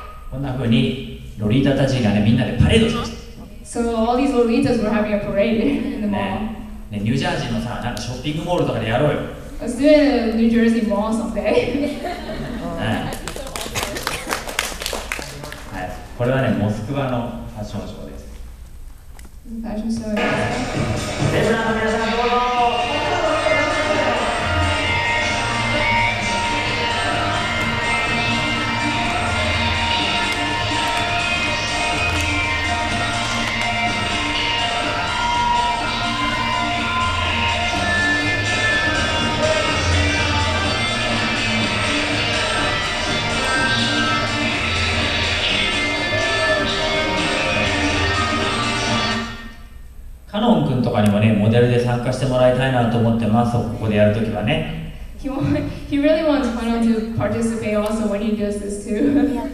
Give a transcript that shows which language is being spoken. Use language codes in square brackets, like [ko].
[ja] こんな風に、ロリータたちがね、みんなでパレードしました。 [en] So all these Lolitas were having a parade in the mall. [ja] ね、ニュージャージーのさ、なんかショッピングモールとかでやろうよ。 [en] Let's do it in New Jersey Mall someday. [ja] はい、これはね、モスクワのファッションショーです。ファッションショーです。レスラーの皆さん、どうぞ。カノン君とかにもね、モデルで参加してもらいたいなと思ってます、ここでやるときはね。 [en] He really wants Kanon to participate also when he does this too.